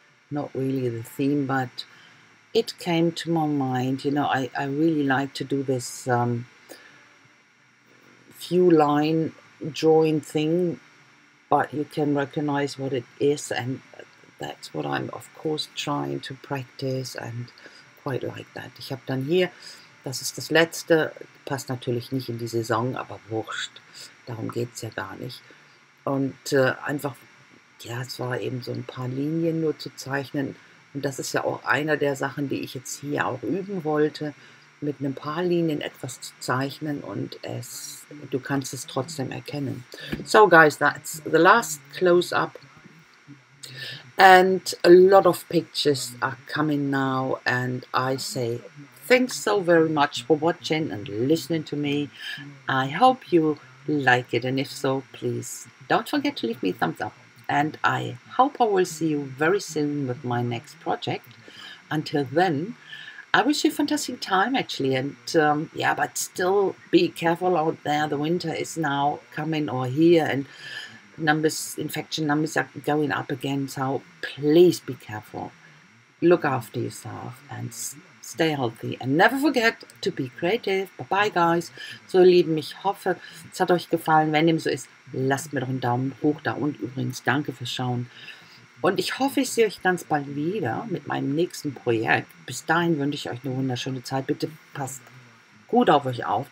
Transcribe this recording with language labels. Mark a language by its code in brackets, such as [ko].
[en] Not really the theme, but it came to my mind. You know, I really like to do this few line drawing thing, but you can recognize what it is, and that's what I'm of course trying to practice and quite like that. [de] Ich habe dann hier, das ist das letzte, passt natürlich nicht in die Saison, aber wurscht, darum geht's ja gar nicht. Und einfach, ja, es war eben so ein paar Linien nur zu zeichnen, und das ist ja auch einer der Sachen, die ich jetzt hier auch üben wollte, mit ein paar Linien etwas zu zeichnen und es, du kannst es trotzdem erkennen. [en] So guys, that's the last close-up. And a lot of pictures are coming now and I say thanks so very much for watching and listening to me. I hope you like it and if so, please don't forget to leave me a thumbs up. And I hope I will see you very soon with my next project. Until then, I wish you a fantastic time, actually, and yeah, but still be careful out there. The winter is now coming or here, and infection numbers are going up again, so please be careful. Look after yourself and stay healthy and never forget to be creative. Bye-bye, guys. [de] So, ihr Lieben, ich hoffe, es hat euch gefallen. Wenn dem so ist, lasst mir doch einen Daumen hoch da und übrigens danke fürs Schauen. Und ich hoffe, ich sehe euch ganz bald wieder mit meinem nächsten Projekt. Bis dahin wünsche ich euch eine wunderschöne Zeit. Bitte passt gut auf euch auf.